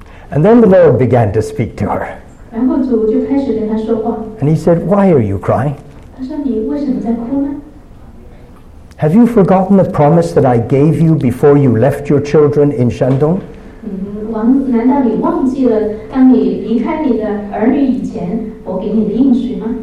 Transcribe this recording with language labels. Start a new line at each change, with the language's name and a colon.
English: And then the Lord began to speak to her.
Chinese: 然后主就开始跟她说话。
English: And he said, why are you crying?
Chinese: 她说你为什么在哭呢？
English: Have you forgotten the promise that I gave you before you left your children in Shandong?
Chinese: 难道你忘记了当你离开你的儿女以前我给你的应许吗？